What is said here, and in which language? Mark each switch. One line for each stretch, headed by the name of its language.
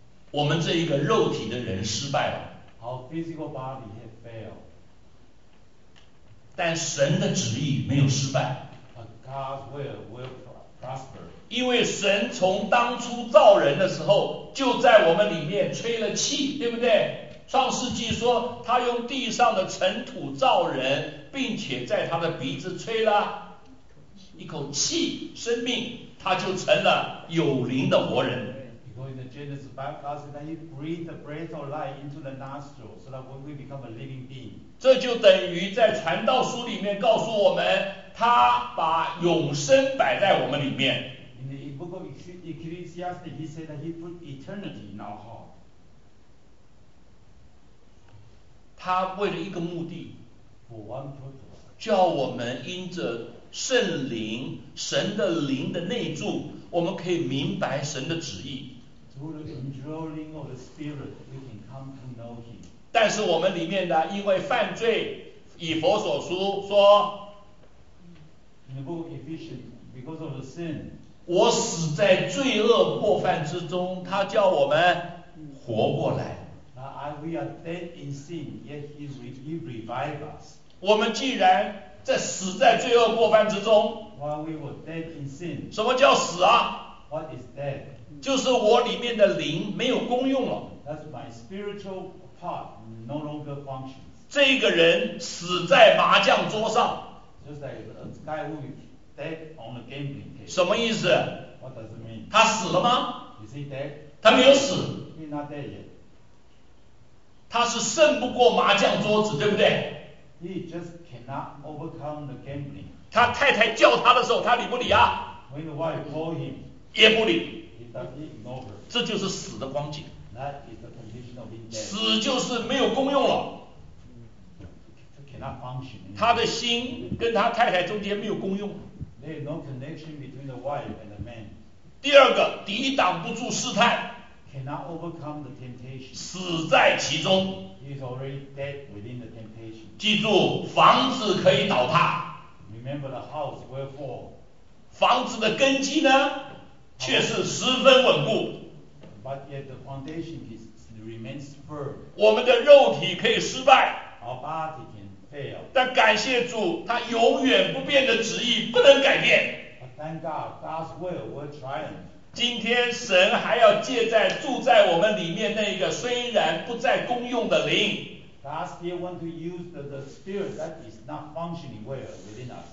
Chinese: 我们这一个肉体的人失败了。
English: Our physical body has failed.
Chinese: 但神的旨意没有失败。
English: But God's will prosper.
Chinese: 因为神从当初造人的时候就在我们里面吹了气，对不对？创世纪说他用地上的尘土造人，并且在他的鼻子吹了一口气，生命，他就成了有灵的活人。
English: Genesis 5 God said that He breathed the breath of life into the nostril so that when we become a living being.
Chinese: 这就等于在传道书里面告诉我们，他把永生摆在我们里面。
English: In the book of Ecclesiastes, He said that He put eternity in our heart.
Chinese: 他为了一个目的，
English: For one purpose.
Chinese: 叫我们因着圣灵，神的灵的内住，我们可以明白神的旨意。
English: Through the controlling of the spirit, we can come to know Him.
Chinese: 但是我们里面的因为犯罪，以弗所书说
English: ，In the book of Ephesians, because of the sin,
Chinese: 我死在罪恶过犯之中，他叫我们活过来。
English: We are dead in sin, yet He revives us.
Chinese: 我们既然在死在罪恶过犯之中
English: ，While we were dead in sin,
Chinese: 什么叫死啊
English: ？What is dead?
Chinese: 就是我里面的灵没有功用了。
English: That's my spiritual part no longer functions.
Chinese: 这个人死在麻将桌上。
English: Just like a guy who is dead on the gambling table.
Chinese: 什么意思
English: ？What does it mean?
Chinese: 他死了吗
English: ？Is he dead?
Chinese: 他没有死。
English: He's not dead yet.
Chinese: 他是胜不过麻将桌子，对不对
English: ？He just cannot overcome the gambling.
Chinese: 他太太叫他的时候，他理不理啊
English: ？When the wife call him,
Chinese: 也不理。
English: Ignore.
Chinese: 这就是死的光景。
English: That is the condition of being dead.
Chinese: 死就是没有功用了。
English: Mm. cannot function.
Chinese: 他的心跟他太太中间没有功用。
English: There is no connection between the wife and the man.
Chinese: 第二个，抵挡不住试探。
English: Cannot overcome the temptation.
Chinese: 死在其中。
English: He is already dead within the temptation.
Chinese: 记住，房子可以倒塌。
English: Remember the house will fall.
Chinese: 房子的根基呢，却是十分稳固。
English: But yet the foundation is remains firm.
Chinese: 我们的肉体可以失败。
English: Our body can fail.
Chinese: 但感谢主，他永远不变的旨意不能改变。
English: But thank God, God's will will triumph.
Chinese: 今天神还要借在住在我们里面那个虽然不再功用的灵。
English: God still want to use the spirit that is not functioning well within us.